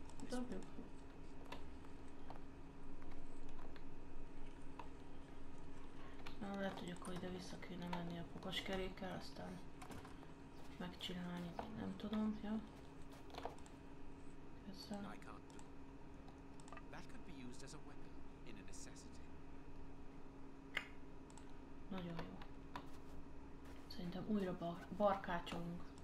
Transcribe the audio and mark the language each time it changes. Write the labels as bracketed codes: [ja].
[hu] Dobjuk. Na, lehet, hogy akkor ide vissza kéne menni a fogaskerékkel, aztán megcsinálni, nem tudom, jó? Ja. Köszönöm. [en] I can't do. That could be used as a weapon in a necessity. [hu] Nagyon jó. Szerintem újra barkácsolunk.